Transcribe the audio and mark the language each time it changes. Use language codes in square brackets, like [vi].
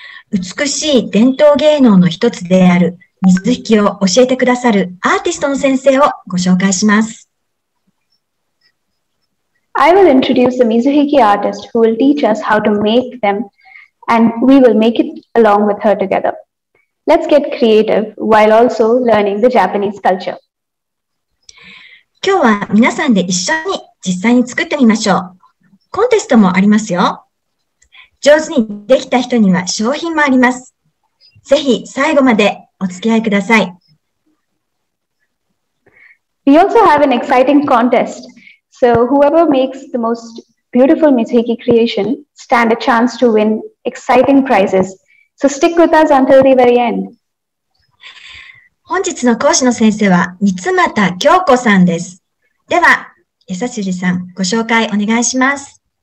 [ja] 美しい伝統芸能の一つである水引きを教えてくださるアーティストの先生をご紹介します。 [en] I will introduce the Mizuhiki artist who will teach us how to make them and we will make it along with her together. Let's get creative while also learning the Japanese culture. [ja] 今日は皆さんで一緒に実際に作ってみましょう。コンテストもありますよ。上手にできた人には商品もあります。ぜひ最後までお付き合いください。 [en] We also have an exciting contest. So whoever makes the most beautiful Mizuhiki creation stand a chance to win exciting prizes. So stick with us until the very end. [ja] 本日の講師の先生は三又京子さんです。では、江刺さん、ご紹介お願いします。